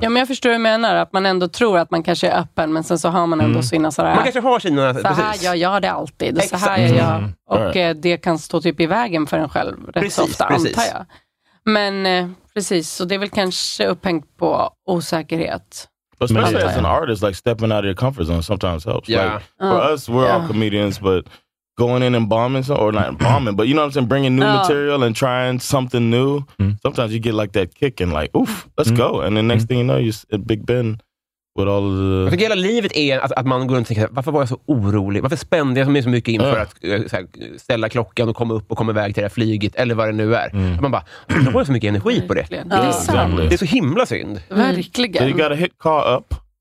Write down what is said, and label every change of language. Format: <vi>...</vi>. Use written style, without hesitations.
<sv>Ja, men jag förstår vad du menar. Att man ändå tror att man kanske är öppen, men sen så har man ändå sina sådär. Man kanske har sina, så här gör jag det alltid. Exakt. Så här gör jag. Och det kan stå typ i vägen för en själv rätt ofta, antar jag. Men precis, så det är väl kanske upphängt på osäkerhet.</sv> <en>Especially as an artist, like stepping out of your comfort zone sometimes helps. Yeah. Like, for us, we're all comedians, but going in and bombing, so, or not bombing, but you know what I'm saying? Bringing new material and trying something new. Sometimes you get like that kick and like, oof, let's go. And the next thing you know, you're at Big Ben with all of the...</en> <sv>Jag tycker hela livet är att man går runt och tänker, varför var jag så orolig? Varför spände jag mig så mycket inför att så här, ställa klockan och komma upp och komma iväg till det här flyget eller vad det nu är? Mm. Man bara, då var jag så mycket energi på det. Det är så himla synd. Verkligen.</sv> <en>So you gotta hit car up.</en>